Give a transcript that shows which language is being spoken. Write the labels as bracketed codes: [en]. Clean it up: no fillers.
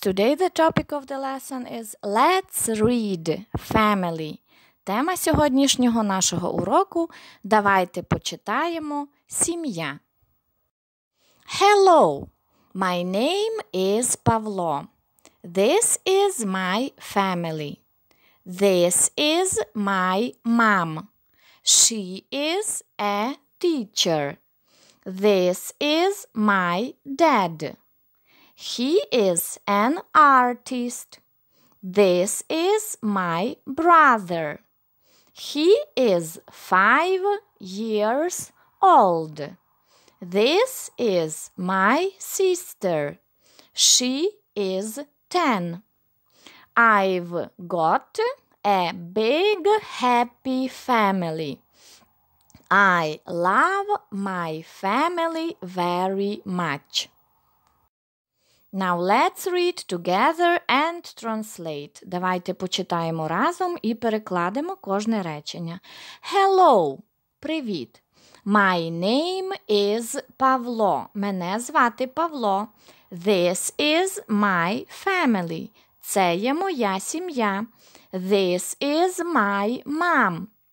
[en] Today the topic of the lesson is Let's Read Family. [uk] Тема сьогоднішнього нашого уроку – Давайте почитаємо сім'я. [en] Hello, my name is Pavlo. This is my family. This is my mom. She is a teacher. This is my dad. He is an artist. This is my brother. He is 5 years old. This is my sister. She is 10. I've got a big happy family. I love my family very much. Now let's read together and translate. [uk] Давайте почитаємо разом і перекладемо кожне речення. [en] Hello. [uk] Привіт. [en] My name is Pavlo. [uk] Мене звати Павло. [en] This is my family. [uk] Це є моя сім'я. [en] This is my mom.